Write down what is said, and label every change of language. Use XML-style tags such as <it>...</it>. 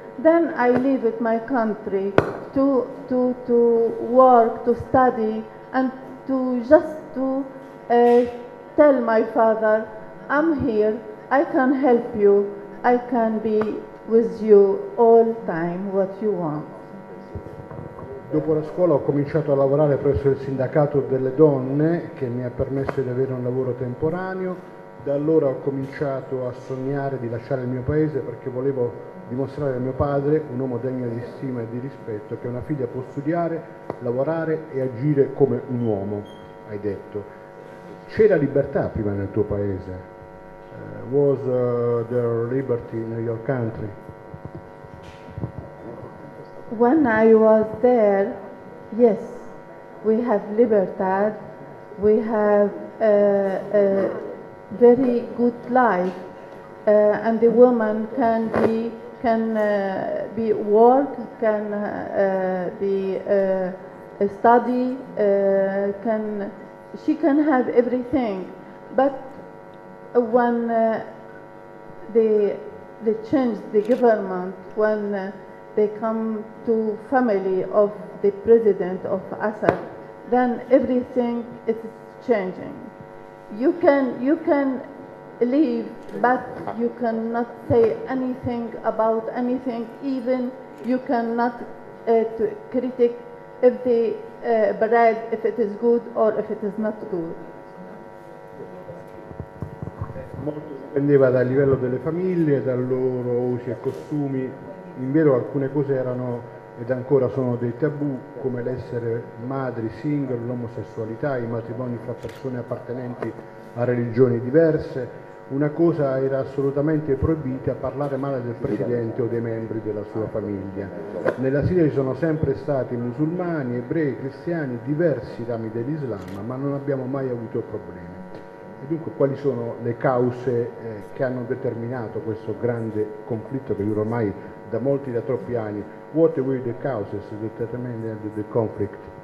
<en>Then I leave it my country to work, to study, and to just to tell my father, I'm here. I can help you, I can be with you all time, what you want.</en> <it>Dopo la scuola ho cominciato a lavorare presso il sindacato delle donne, che mi ha permesso di avere un lavoro temporaneo. Da allora ho cominciato a sognare di lasciare il mio paese, perché volevo dimostrare a mio padre, un uomo degno di stima e di rispetto, che una figlia può studiare, lavorare e agire come un uomo, hai detto. C'era libertà prima nel tuo paese?</it> <en>Was there liberty in your country? When I was there, yes, we have liberty. we have a very good life, and the woman can be be work, can be a study, can she can have everything, but when they change the government, when they come to family of the president of Assad, then everything is changing. You can leave, but you cannot say anything about anything. Even you cannot to critique if the bread, if it is good or if it is not good.</en> <it>Dipendeva dal livello delle famiglie, dal loro usi e costumi. In vero alcune cose erano ed ancora sono dei tabù, come l'essere madri single, l'omosessualità, i matrimoni fra persone appartenenti a religioni diverse. Una cosa era assolutamente proibita: parlare male del presidente o dei membri della sua famiglia. Nella Siria ci sono sempre stati musulmani, ebrei, cristiani, diversi rami dell'Islam, ma non abbiamo mai avuto problemi. Dunque, quali sono le cause che hanno determinato questo grande conflitto che dura ormai da molti, da troppi anni?</it> <en>What were the causes that determined the conflict?</en>